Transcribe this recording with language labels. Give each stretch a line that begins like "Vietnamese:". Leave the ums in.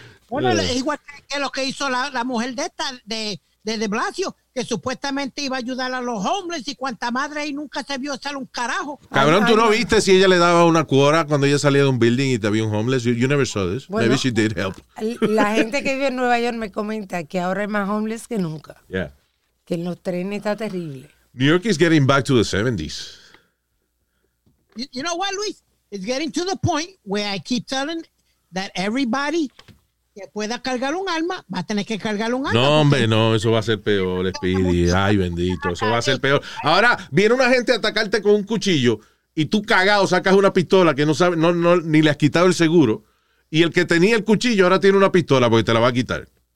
Spanish: Bueno, uh, igual que lo que hizo la, la mujer de esta, de, de, de Blasio, que supuestamente iba a ayudar a los homeless y cuanta madre ahí nunca se vio hacer un carajo. Cabrón, tú no viste si ella le daba una cuora cuando ella salía de un building y te había un homeless.
English: You, you never saw this.
Spanish: Bueno,
English: Maybe she did help.
Spanish: La gente que vive en Nueva York me comenta que ahora hay más homeless que nunca. Yeah. Que en los trenes está terrible.
English: New York is getting back to the 70s. You, you know what, Luis? It's getting to the point where I keep telling that everybody.
Spanish: Que pueda cargar un arma, va a tener que cargar un no, arma. No, hombre, usted. no, eso va a ser peor, Speedy. Ay, bendito, eso va a ser peor. Ahora viene una gente a atacarte con un cuchillo y tú cagado sacas una pistola que no sabe, no, no, ni le has quitado el seguro. Y el que tenía el cuchillo ahora tiene una pistola porque te la va a quitar.